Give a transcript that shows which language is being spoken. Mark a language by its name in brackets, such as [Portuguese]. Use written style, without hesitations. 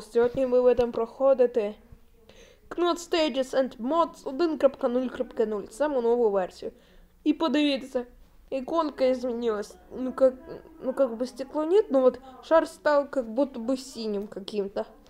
[Ukrainian] Сьогодні ви [Russian] в этом [Ukrainian] проходите Knot Stages and Mods 1.0.0, саму нову версію. І подивіться, іконка змінилась. [Russian] Ну как бы стекло нет, но вот шар стал как будто бы синим каким-то.